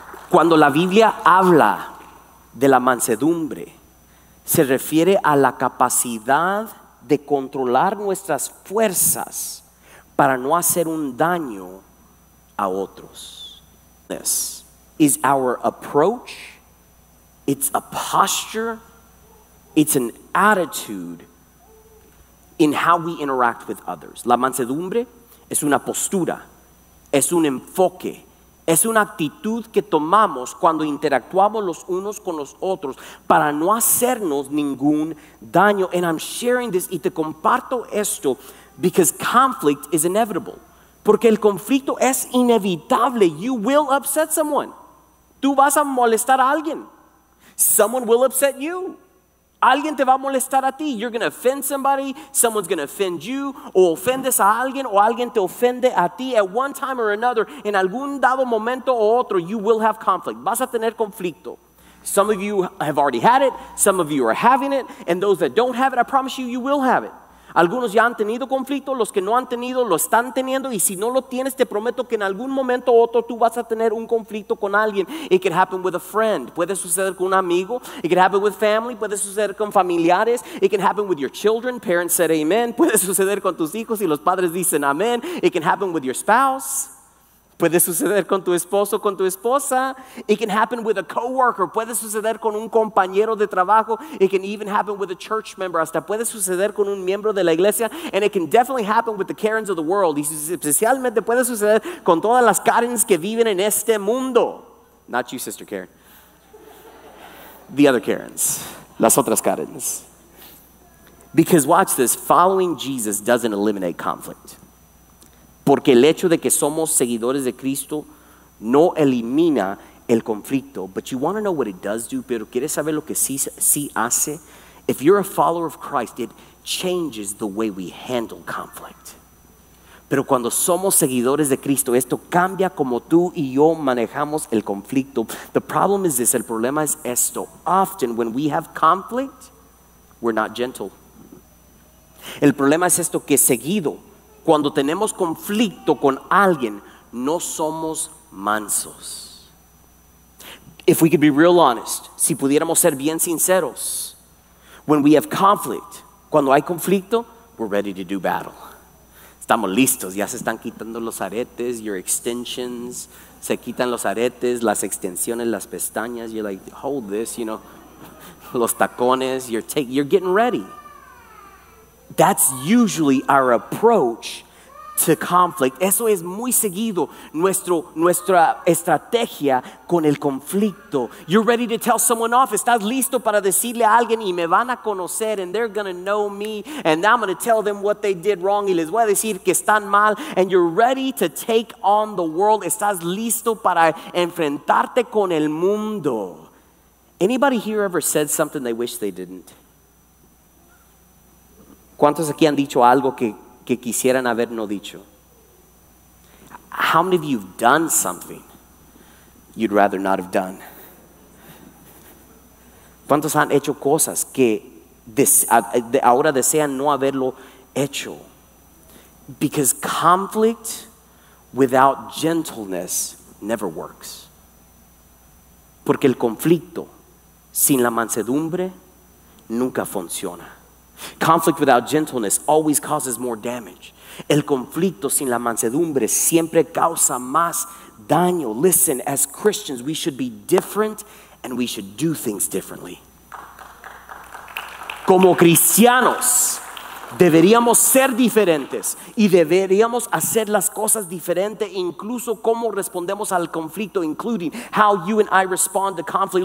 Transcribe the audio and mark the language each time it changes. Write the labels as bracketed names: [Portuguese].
[Spanish] Cuando la Biblia habla de la mansedumbre, se refiere a la capacidad de controlar nuestras fuerzas para no hacer un daño a otros. [English] This is our approach, it's a posture, it's an attitude in how we interact with others. [Spanish] La mansedumbre es una postura, es un enfoque, es una actitud que tomamos cuando interactuamos los unos con los otros para no hacernos ningún daño. [English] And I'm sharing this, [Spanish] y te comparto esto, [English] because conflict is inevitable. [Spanish] Porque el conflicto es inevitable. [English] You will upset someone. [Spanish] Tú vas a molestar a alguien. [English] Someone will upset you. [Spanish] Alguien te va a molestar a ti. [English] You're going to offend somebody. Someone's going to offend you. [Spanish] O ofendes a alguien. O alguien te ofende a ti. [English] At one time or another, [Spanish] en algún dado momento o otro, [English] you will have conflict. [Spanish] Vas a tener conflicto. [English] Some of you have already had it. Some of you are having it. And those that don't have it, I promise you, you will have it. [Spanish] Algunos ya han tenido conflicto. Los que no han tenido, lo están teniendo. Y si no lo tienes, te prometo que en algún momento o otro, tú vas a tener un conflicto con alguien. [English] It could happen with a friend. [Spanish] Puede suceder con un amigo. [English] It could happen with family. [Spanish] Puede suceder con familiares. [English] It can happen with your children. Parents said amen. [Spanish] Puede suceder con tus hijos y los padres dicen amén. [English] It can happen with your spouse. [Spanish] Puede suceder con tu esposo, con tu esposa. [English] It can happen with a coworker. [Spanish] Puede suceder con un compañero de trabajo. [English] It can even happen with a church member. [Spanish] Hasta puede suceder con un miembro de la iglesia. [English] And it can definitely happen with the Karens of the world. [Spanish] Y especialmente puede suceder con todas las Karens que viven en este mundo. [English] Not you, Sister Karen. The other Karens. [Spanish] Las otras Karens. [English] Because watch this. Following Jesus doesn't eliminate conflict. [Spanish] Porque el hecho de que somos seguidores de Cristo no elimina el conflicto. [English] But you want to know what it does do? [Spanish] Pero quieres saber lo que sí hace? [English] If you're a follower of Christ, it changes the way we handle conflict. [Spanish] Pero cuando somos seguidores de Cristo, esto cambia como tú y yo manejamos el conflicto. [English] The problem is this. [Spanish] El problema es esto. [English] Often when we have conflict, we're not gentle. [Spanish] El problema es esto, que seguido, cuando tenemos conflicto con alguien, no somos mansos. [English] If we could be real honest, [Spanish] si pudiéramos ser bien sinceros, [English] when we have conflict, [Spanish] cuando hay conflicto, [English] we're ready to do battle. [Spanish] Estamos listos, ya se están quitando los aretes, [English] your extensions, [Spanish] se quitan los aretes, las extensiones, las pestañas, [English] you're like, hold this, you know, [Spanish] los tacones, [English] you're getting ready. That's usually our approach to conflict. [Spanish] Eso es muy seguido nuestra estrategia con el conflicto. [English] You're ready to tell someone off. [Spanish] Estás listo para decirle a alguien, y me van a conocer, [English] and they're going to know me, and I'm going to tell them what they did wrong, [Spanish] y les voy a decir que están mal, [English] and you're ready to take on the world. [Spanish] Estás listo para enfrentarte con el mundo. [English] Anybody here ever said something they wish they didn't? [Spanish] ¿Cuántos aquí han dicho algo que quisieran haber no dicho? [English] How many of you have done something you'd rather not have done? [Spanish] ¿Cuántos han hecho cosas que ahora desean no haberlo hecho? [English] Because conflict without gentleness never works. [Spanish] Porque el conflicto sin la mansedumbre nunca funciona. [English] Conflict without gentleness always causes more damage. [Spanish] El conflicto sin la mansedumbre siempre causa más daño. [English] Listen, as Christians, we should be different and we should do things differently. [Spanish] Como cristianos, deberíamos ser diferentes y deberíamos hacer las cosas diferente, incluso cómo respondemos al conflicto, [English] including how you and I respond to conflict.